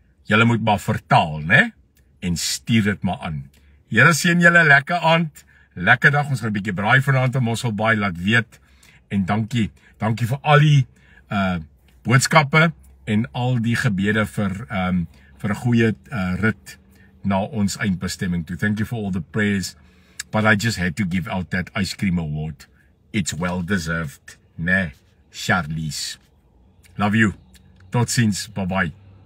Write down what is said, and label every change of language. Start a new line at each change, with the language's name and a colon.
Afrikaans: Julle moet maar vertaal, né? En stuur dit maar aan. Here seën julle lekker aand, lekker dag. Ons gaan 'n bietjie braai vanaand op Mosselbaai, laat weet. En dankie, dankie vir al die boodskappe en al die gebede vir 'n goeie rit na ons eindbestemming toe.
English: Thank you for all the prayers, but I just had to give out that ice cream award. It's well deserved, né, Charlize. Love you.
Afrikaans: Tot ziens.
English: Bye-bye.